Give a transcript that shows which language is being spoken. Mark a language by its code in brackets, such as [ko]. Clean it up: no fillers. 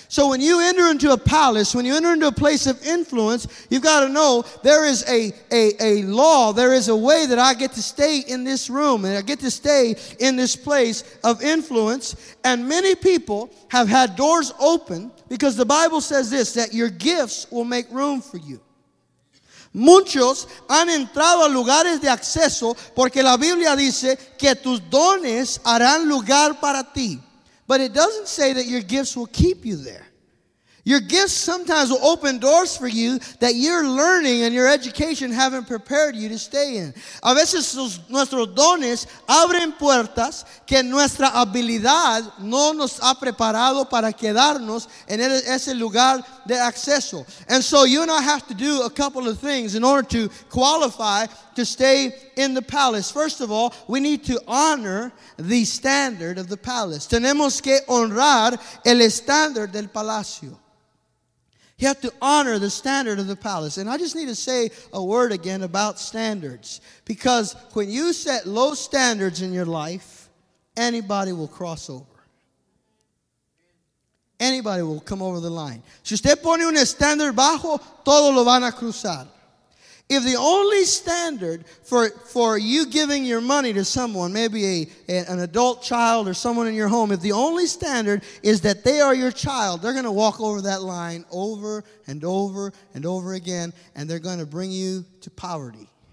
[en] So when you enter into a palace, when you enter into a place of influence, you've got to know there is a law, there is a way that I get to stay in this room and I get to stay in this place of influence. And many people have had doors open because the Bible says this, that your gifts will make room for you. [es] Muchos han entrado a lugares de acceso porque la Biblia dice que tus dones harán lugar para ti. [en] But it doesn't say that your gifts will keep you there. Your gifts sometimes will open doors for you that your learning and your education haven't prepared you to stay in. [es] A veces nuestros dones abren puertas que nuestra habilidad no nos ha preparado para quedarnos en ese lugar de acceso. [en] And so you and I have to do a couple of things in order to qualify to stay in the palace. First of all, we need to honor the standard of the palace. [es] Tenemos que honrar el estándar del palacio. [en] You have to honor the standard of the palace. And I just need to say a word again about standards. Because when you set low standards in your life, anybody will cross over. Anybody will come over the line. [es] Si usted pone un estándar bajo, todo lo van a cruzar. [en] If the only standard for you giving your money to someone, maybe an adult child or someone in your home, if the only standard is that they are your child, they're going to walk over that line over and over and over again, and they're going to bring you to poverty.